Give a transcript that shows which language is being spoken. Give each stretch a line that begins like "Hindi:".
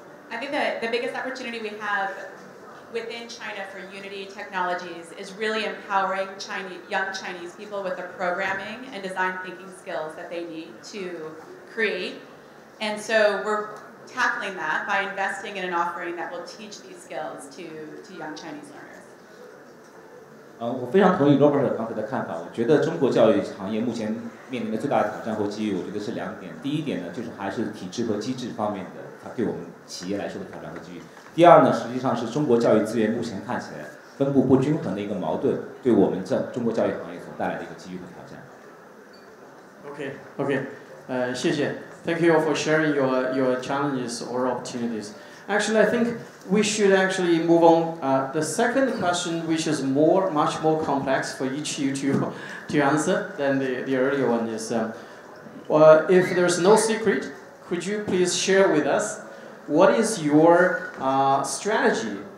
English: I think the biggest opportunity we have within China for Unity Technologies is really empowering young Chinese people with the programming and design thinking skills that they need to create And so we're tackling that by investing in an offering that will teach these skills to young Chinese learners.
Chinese: 我非常同意 Robert 刚才的看法，我觉得中国教育行业目前面临的最大的挑战和机遇，我觉得是两点。第一点呢，就是还是体制和机制方面的，它对我们企业来说的挑战和机遇。第二呢，实际上是中国教育资源目前看起来分布不均衡的一个矛盾，对我们在中国教育行业所带来的一个机遇和挑战。 OK, 谢谢。
English: Thank you all for sharing your challenges or opportunities. Actually, I think we should actually move on. The second question, which is much more complex for each of you to answer than the earlier one is, if there's no secret, could you please share with us what is your strategy?